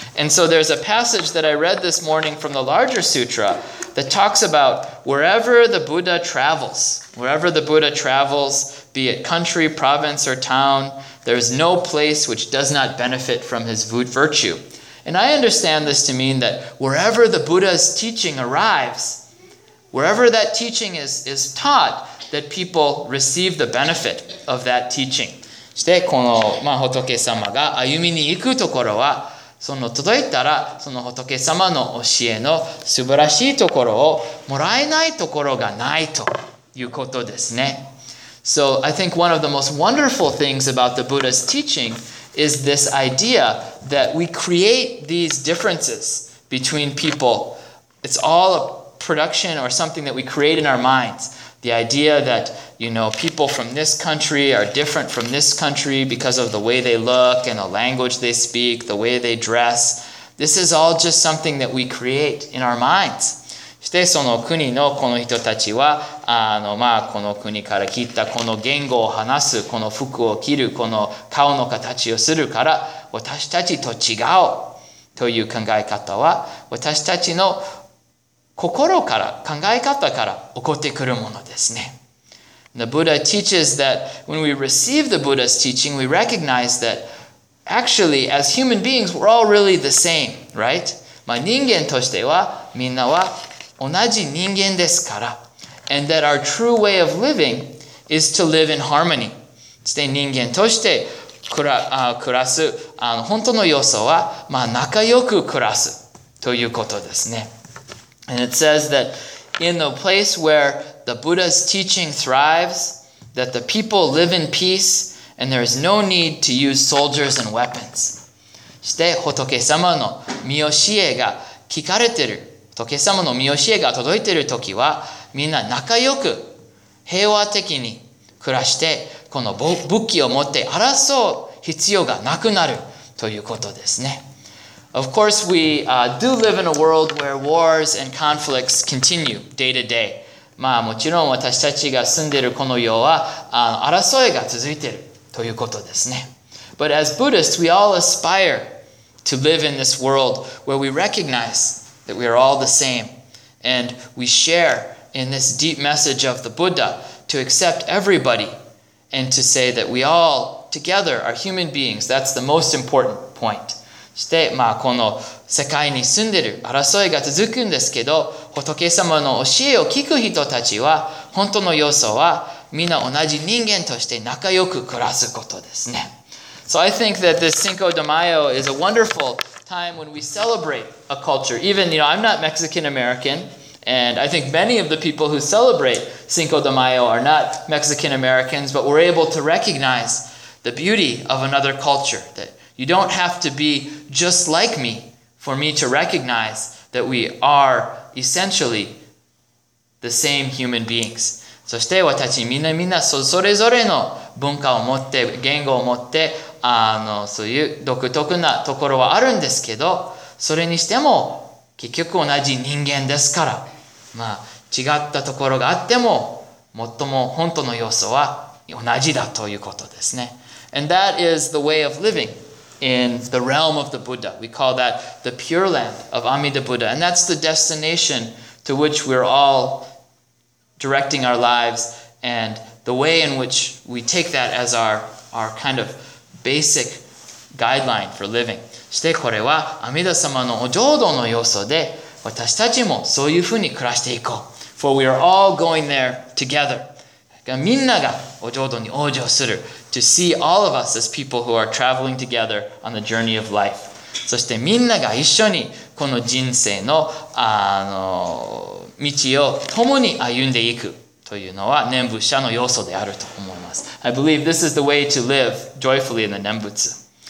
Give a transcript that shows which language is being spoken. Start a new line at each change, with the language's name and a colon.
English: And so there's a passage that I read this morning from the Larger Sutra that talks about wherever the Buddha travels, be it country, province, or town, there is no place which does not benefit from his virtue. And I understand this to mean that wherever the Buddha's teaching arrives, wherever that teaching is taught, that people receive the benefit of that teaching.
Japanese: そしてこの、まあ、仏様が歩みに行くところは、その届いたらその仏様の教えの素晴らしいところをもらえないところがないということですね。
English: So I think one of the most wonderful things about the Buddha's teaching is this idea that we create these differences between people. It's all a production or something that we create in our minds. The idea that, you know, people from this country are different from this country because of the way they look and the language they speak, the way they dress. This is all just something that we create in our minds.
Japanese: そしてその国のこの人たちは、まあ、この国から来たこの言語を話す、この服を着る、この顔の形をするから、私たちと違うという考え方は、私たちの心から、考え方から起こってくるものですね。
English: The Buddha teaches that when we receive the Buddha's teaching, we recognize that actually, as human beings, we're all really the same, right?
Japanese: まあ、人間としてはみんなは同じ人間ですから。
English: And that our true way of living is to live in harmony.
Japanese: して人間として暮らす本当の要素は、まあ、仲良く暮らすということですね。
English: And it says that in the place where the Buddha's teaching thrives, that the people live in peace and there is no need to use soldiers and weapons.
Japanese: して仏様の御教えが聞かれている。仏様の御教えが届いているときは、みんな仲良く平和的に暮らして、この武器を持って争う必要がなくなるということですね。
English: Of course, we do live in a world where wars and conflicts continue day to day.
Japanese: まあもちろん私たちが住んでいるこの世は争いが続いているということですね。
English: But as Buddhists, we all aspire to live in this world where we recognize that we are all the same, and we share in this deep message of the Buddha to accept everybody and to say that we all together are human beings. That's the most important point.
Japanese: そして、まあ、この世界に住んでいる争いが続くんですけど、仏様の教えを聞く人たちは、本当の要素はみんな同じ人間として仲良く暮らすことですね。
English: So I think that this Cinco de Mayo is a wonderful time when we celebrate a culture. Even, you know, I'm not Mexican-American, and I think many of the people who celebrate Cinco de Mayo are not Mexican-Americans, but we're able to recognize the beauty of another culture, that you don't have to be just like me for me to recognize that we are essentially the same human beings.
Japanese: そして私みんなそれぞれの文化を持って言語を持ってそういう独特なところはあるんですけど、それにしても結局同じ人間ですから、まあ違ったところがあっても最も本当の要素は同じだということですね。
English: And that is the way of living in the realm of the Buddha. We call that the pure land of Amida Buddha, and that's the destination to which we're all directing our lives, and the way in which we take that as our kind of basic guideline for living.
Japanese: そしてこれは阿弥陀様のお浄土の要素で、私たちもそういうふうに暮らしていこう。
English: For we are all going there together.
Japanese: みんながお浄土に往生する。
English: To see all of us as people who are traveling together on the journey of life.
Japanese: そしてみんなが一緒にこの人生の、道を共に歩んでいくというのは念仏者の要素であると思います。
English: I believe this is the way to live joyfully in the 念仏.